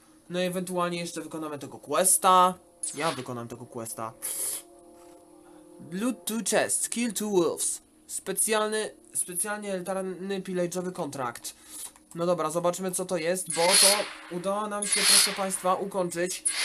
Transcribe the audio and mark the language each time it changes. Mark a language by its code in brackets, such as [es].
[pl] No i ewentualnie jeszcze wykonamy tego questa. Ja wykonam tego questa. [en] Loot two chests, kill two wolves. [pl] Specjalnie elitarny pillage'owy kontrakt. No dobra, zobaczmy co to jest, bo to udało nam się, proszę państwa, ukończyć.